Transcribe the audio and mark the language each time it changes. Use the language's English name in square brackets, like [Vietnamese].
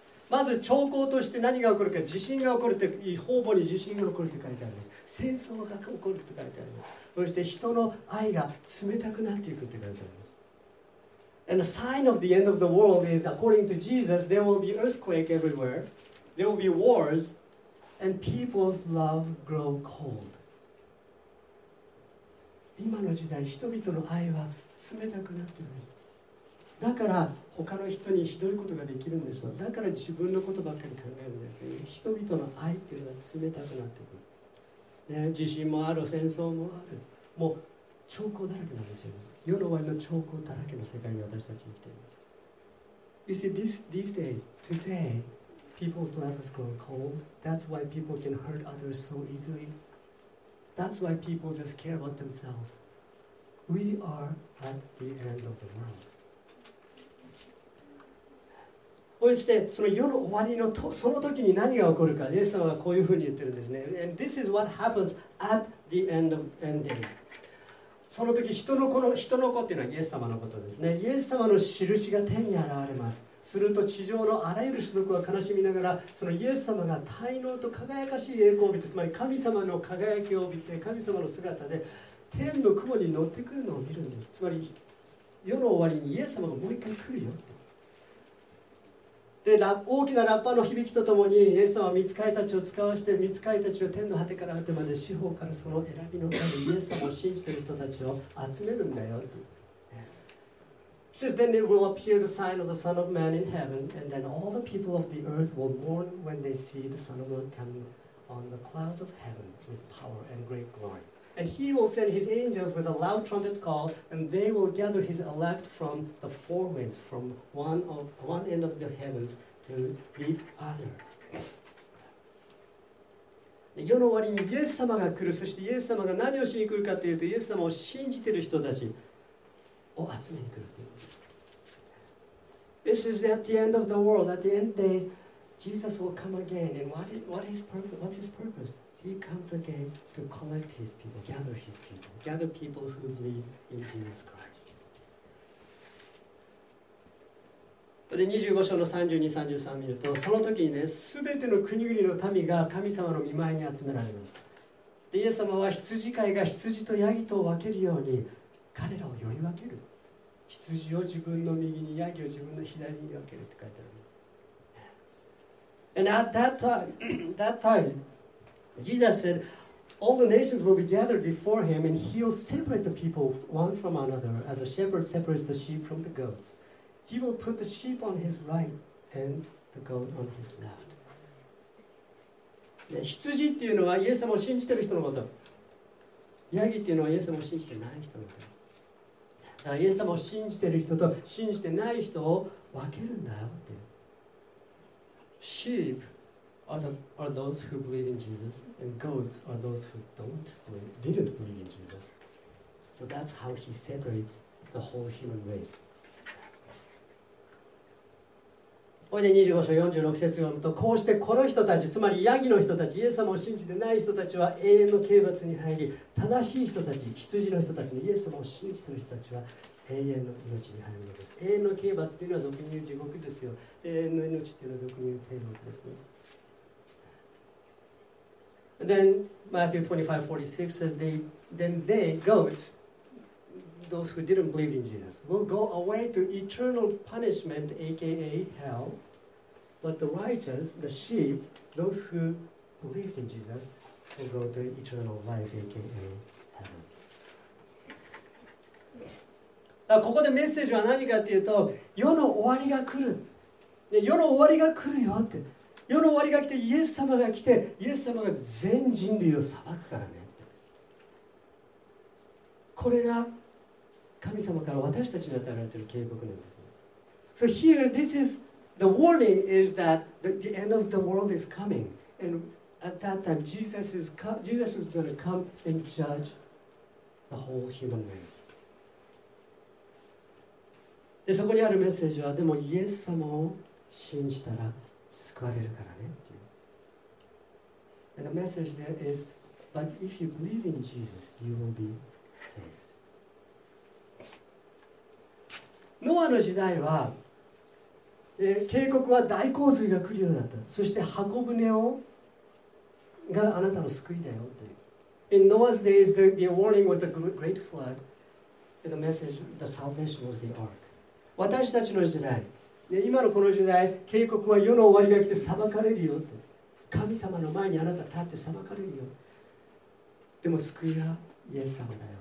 [Japanese] まず兆候として何が起こるか地震が起こるって方々に地震が起こるって書いてあります戦争が起こるって書いてありますそして人の愛が冷たくなっていくって書いてあります [English] And the sign of the end of the world is according to Jesus there will be earthquake everywhere there will be wars and people's love grow cold [Japanese] 今の時代人々の愛は冷たくなっているだから他の人にひどいことができるんですよ。だから自分のことばっかり考えるんですね。人々の愛っていうのは冷たくなってくる。ね、地震もある、戦争もある。もう兆候だらけなんですよ。世の終わりの兆候だらけの世界に私たち生きています。 [English] You see, these days, today, people's lives grow cold. That's why people can hurt others so easily. That's why people just care about themselves. We are at the end of the world. [Japanese] そしてその世の終わりのとその時に何が起こるか、イエス様がこういうふうに言ってるんですね。 [English] And this is what happens at the end of ending. [Japanese] その時人の子っていうのはイエス様のことですね。イエス様の印が天に現れます。すると地上のあらゆる種族は悲しみながら、そのイエス様が大能と輝かしい栄光を帯びて、つまり神様の輝きを帯びて、神様の姿で天の雲に乗ってくるのを見るんです。つまり世の終わりにイエス様がもう一回来るよって。で大きなラッパの響きとともにイエス様は御使いたちを遣わして御使いたちを天の果てから果てまで四方からその選びの神イエス様を信じている人たちを集めるんだよと。 [English] He says, then there will appear the sign of the Son of Man in heaven, and then all the people of the earth will mourn when they see the Son of Man coming on the clouds of heaven with power and great glory. And he will send his angels with a loud trumpet call, and they will gather his elect from the four winds, from one end of the heavens to the other. [Japanese] 世の終わりにイエス様が来る、そしてイエス様が何をしに来るかというと、イエス様を信じている人たちを集めに来るという。 [English] This is at the end of the world, at the end days, Jesus will come again, and what's his purpose? He comes again to collect his people, gather his people, gather people who believe in Jesus Christ. [Japanese] で25章の32、33見ると、その時にね、すべての国々の民が神様の御前に集められます。で、イエス様は羊飼いが羊とヤギとを分けるように、彼らをより分ける。羊を自分の右に、ヤギを自分の左に分けるって書いてある。 [English] And at that time, Jesus said, all the nations will be gathered before him, and he'll separate the people one from another, as a shepherd separates the sheep from the goats. He will put the sheep on his right and the goat on his left. [Japanese] 羊っていうのはイエス様を信じてる人のこと。ヤギっていうのはイエス様を信じてない人のことです。だからイエス様を信じてる人と信じてない人を分けるんだよっていう。 [English] Sheep are those who believe in Jesus, and goats are those who didn't believe in Jesus. So that's how he separates the whole human race. [Japanese] これで25章46節を読むと、こうしてこの人たち、つまりヤギの人たち、イエス様を信じてない人たちは永遠の刑罰に入り、正しい人たち、羊の人たちのイエス様を信じている人たちは永遠の命に入るのです。永遠の刑罰というのは俗に言う地獄ですよ。永遠の命というのは俗に言う天国ですね。 [English] Then Matthew 25:46 says, then they, goats, those who didn't believe in Jesus, will go away to eternal punishment, aka hell, but the righteous, the sheep, those who believed in Jesus, will go to eternal life, aka heaven. [Japanese] ここでメッセージは何かっていうと、世の終わりが来る。世の終わりが来るよって。世の終わりが来て、イエス様が来て、イエス様が全人類を裁くからねって。これが神様から私たちに与えられている警告なんですね。 [English] So here, this is the warning is that the end of the world is coming. And at that time, Jesus is going to come and judge the whole human race. [Japanese] で、そこにあるメッセージは、でもイエス様を信じたら救われるからねっていう。 [English] And the message there is, but if you believe in Jesus, you will be saved. [Japanese] ノアの時代は、警告は大洪水が来るようだった。そして箱舟をがあなたの救いだよって。 [English] In Noah's days, the warning was the great flood, and the message, the salvation was the ark. [Japanese] 私たちの時代、今のこの時代、警告は世の終わりが来て裁かれるよって。神様の前にあなた立って裁かれるよ。でも救いはイエス様だよ。